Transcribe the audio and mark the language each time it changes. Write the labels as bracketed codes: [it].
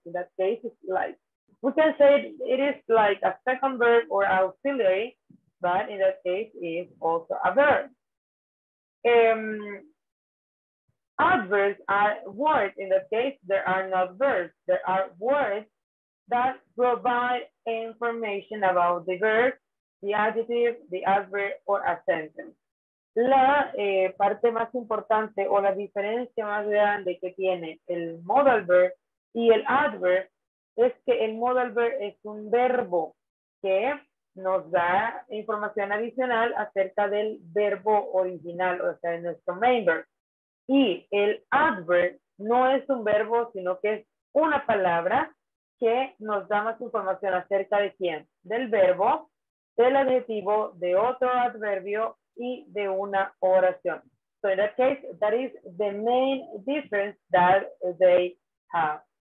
[en] In that case, it's like, we can say it is like a second verb or auxiliary, but in that case, it's also a verb. Adverbs are words. In that case, there are not verbs. There are words that provide information about the verb, the adjective, the adverb, or a sentence. [es] La parte más importante o la diferencia más grande que tiene el modal verb y el adverb es que el modal verb es un verbo que nos da información adicional acerca del verbo original, o sea, de nuestro main verb. Y el adverb no es un verbo, sino que es una palabra que nos da más información acerca de quién, del verbo, del adjetivo, de otro adverbio y de una oración. [en] So in that case, that is the main difference that they have.